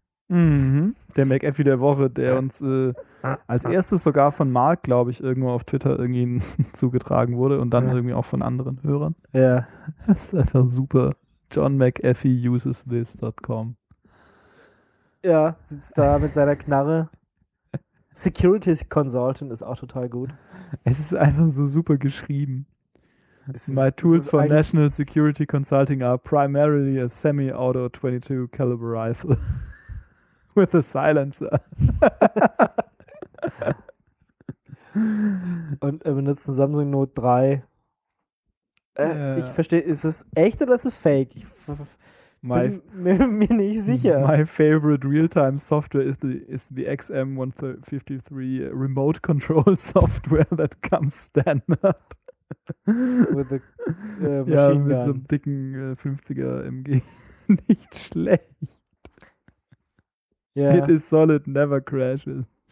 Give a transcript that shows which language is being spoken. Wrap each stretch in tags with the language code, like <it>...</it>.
<de>Der McAfee der Woche, der uns als erstes sogar von Mark, glaube ich, irgendwo auf Twitter irgendwie zugetragen wurde und dann irgendwie auch von anderen Hörern. Ja. Das ist einfach super. John McAfee uses this.com. Ja, sitzt da mit seiner Knarre. Security Consultant ist auch total gut. Es ist einfach so super geschrieben.</de> <en>My tools for National Security Consulting are primarily a semi-auto 22 caliber rifle. With a silencer.</en> <de>Und er benutzt ein Samsung Note 3. Yeah. Ich verstehe, ist es echt oder ist es fake? Ich bin mir nicht sicher.</de> <en>My favorite real-time software is the XM153 remote control software that comes standard. With a Machine Gun.</en> <de>Mit so einem dicken 50er MG. Nicht schlecht.</de> <en>Yeah. It is solid, never crashes.</en>